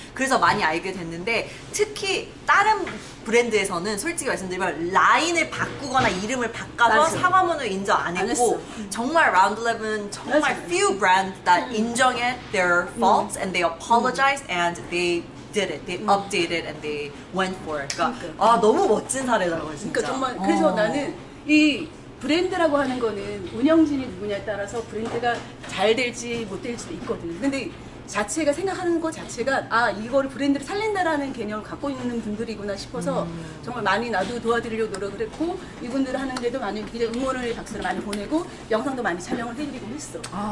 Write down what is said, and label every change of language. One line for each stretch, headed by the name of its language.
Korean: 그래서 많이 알게 됐는데, 특히 다른 브랜드에서는 솔직히 말씀드리면 라인을 바꾸거나 이름을 바꿔서 사과문을 인정 안 했고, 정말 라운드11은 정말
English: few brands that
Korean: 인정해
English: their faults and they apologize and they did it. They updated and they went for it.
Korean: 그러니까 아, 너무 멋진 사례라고 진짜. 그러니까 정말 그래서 나는 이 브랜드라고 하는 거는 운영진이 누구냐에 따라서 브랜드가 잘 될지 못 될지도 있거든. 근데 자체가 생각하는 것 자체가 아, 이거를 브랜드를 살린다라는 개념을 갖고 있는 분들이구나 싶어서 정말 많이 나도 도와드리려고 노력을 했고, 이분들 하는데도 많이 굉장히 응원을 박수를 많이 보내고 영상도 많이 촬영을 해드리고 했어. 아.